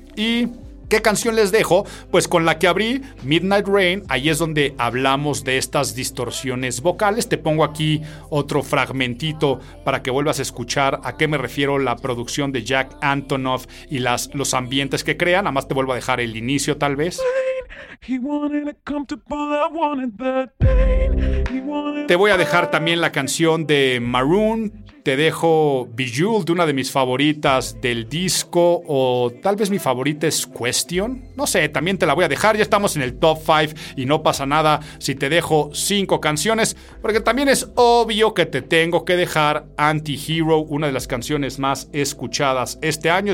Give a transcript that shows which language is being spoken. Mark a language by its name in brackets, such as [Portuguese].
[Spanish] ¿Y qué canción les dejo? Pues con la que abrí, Midnight Rain. Ahí es donde hablamos de estas distorsiones vocales. Te pongo aquí otro fragmentito para que vuelvas a escuchar a qué me refiero la producción de Jack Antonoff y las, los ambientes que crean. Nada más te vuelvo a dejar el inicio, tal vez. [English] He wanted a comfortable, I wanted that pain. He wanted... [Spanish] Te voy a dejar también la canción de Maroon. Te dejo Bejeweled, una de mis favoritas del disco, o tal vez mi favorita es Question. No sé, también te la voy a dejar. Ya estamos en el Top 5 y no pasa nada si te dejo 5 canciones, porque también es obvio que te tengo que dejar Anti-Hero, una de las canciones más escuchadas este año.